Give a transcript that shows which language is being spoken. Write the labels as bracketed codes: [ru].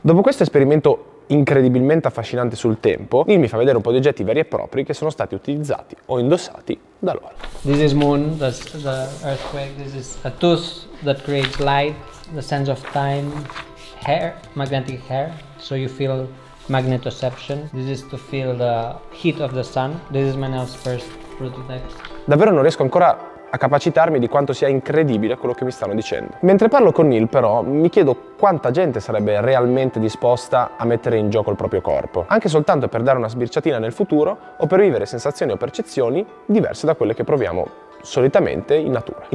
[it] Dopo questo esperimento incredibilmente affascinante sul tempo, Neil mi fa vedere un po' di oggetti veri e propri che sono stati utilizzati o indossati da loro. [en] This is moon, the earthquake. This is a tooth that creates light, the sense of time, hair, magnetic hair, so you feel magnetoception. This is to feel the heat of the sun. This is Manel's first prototype. [it] Davvero non riesco ancora a capacitarmi di quanto sia incredibile quello che mi stanno dicendo. Mentre parlo con Neil, però, mi chiedo quanta gente sarebbe realmente disposta a mettere in gioco il proprio corpo, anche soltanto per dare una sbirciatina nel futuro o per vivere sensazioni o percezioni diverse da quelle che proviamo solitamente in natura.